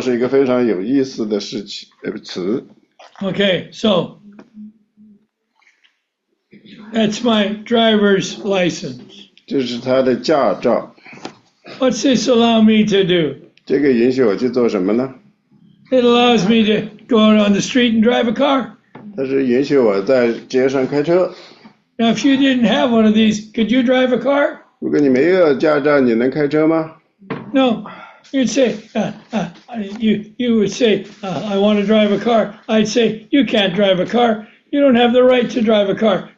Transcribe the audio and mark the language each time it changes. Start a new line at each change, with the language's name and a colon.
Chinese: 但是那个，就是说是，那个牌照是一个非常有意思的事情，词。
English: Okay, so that's my driver's license.
Chinese: 这是他的驾照。
English: What's this allow me to do?
Chinese: 这个允许我去做什么呢？
English: It allows me to go out on the street and drive a car.
Chinese: 它是允许我在街上开车。
English: Now, if you didn't have one of these, could you drive a car?
Chinese: 如果你没有驾照，你能开车吗？
English: No, you'd say, you would say, I want to drive a car. I'd say, you can't drive a car. You don't have the right to drive a car.